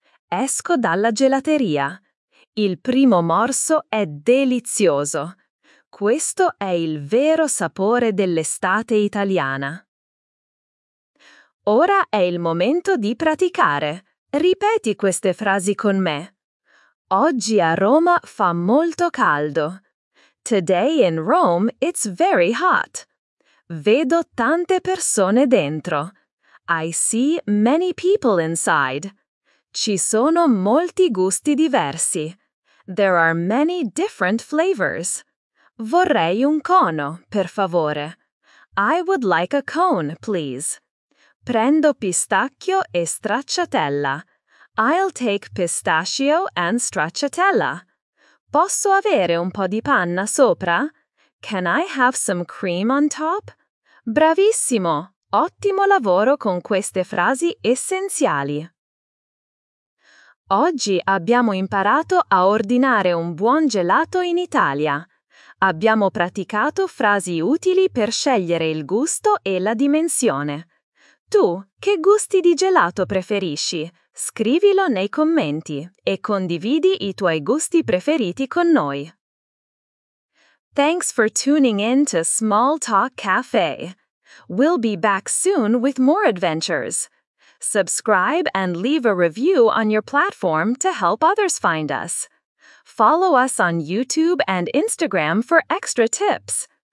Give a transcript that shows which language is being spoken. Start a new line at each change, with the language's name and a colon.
Italian: Esco dalla gelateria. Il primo morso è delizioso. Questo è il vero sapore dell'estate italiana. Ora è il momento di praticare. Ripeti queste frasi con me. Oggi a Roma fa molto caldo.
English: Today in Rome it's very hot.
Italian: Vedo tante persone dentro.
English: I see many people inside.
Italian: Ci sono molti gusti diversi.
English: There are many different flavors.
Italian: Vorrei un cono, per favore.
English: I would like a cone, please.
Italian: Prendo pistacchio e stracciatella.
English: I'll take pistachio and stracciatella.
Italian: Posso avere un po' di panna sopra?
English: Can I have some cream on top?
Italian: Bravissimo! Ottimo lavoro con queste frasi essenziali. Oggi abbiamo imparato a ordinare un buon gelato in Italia. Abbiamo praticato frasi utili per scegliere il gusto e la dimensione. Tu, che gusti di gelato preferisci? Scrivilo nei commenti e condividi i tuoi gusti preferiti con noi.
English: Thanks for tuning in to Small Talk Cafe. We'll be back soon with more adventures. Subscribe and leave a review on your platform to help others find us. Follow us on YouTube and Instagram for extra tips.